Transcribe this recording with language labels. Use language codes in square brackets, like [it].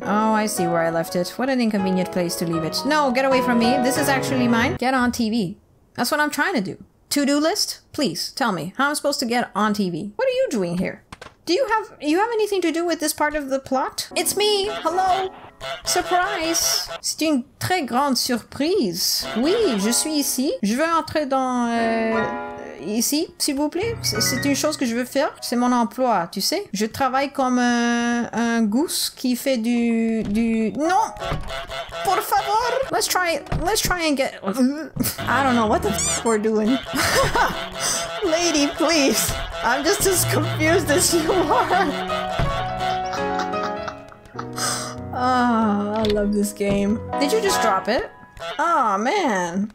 [en] Oh, I see where I left it. What an inconvenient place to leave it. No, get away from me! This is actually mine. Get on TV. That's what I'm trying to do. To-do list? Please, tell me. How am I supposed to get on TV? What are you doing here? Do you have anything to do with this part of the plot? It's me! Hello! Surprise! [fr] C'est une très grande surprise. Oui, je suis ici. Je veux entrer dans... ici, s'il vous plaît. C'est une chose que je veux faire. C'est mon emploi, tu sais. Je travaille comme un goose qui fait du... [en] Non! [es] Por favor! [en] Let's try and get... I don't know what the f*** we're doing. Lady, please! I'm just as confused as you are! Oh, I love this game. Did you just drop it? Aw, oh, man.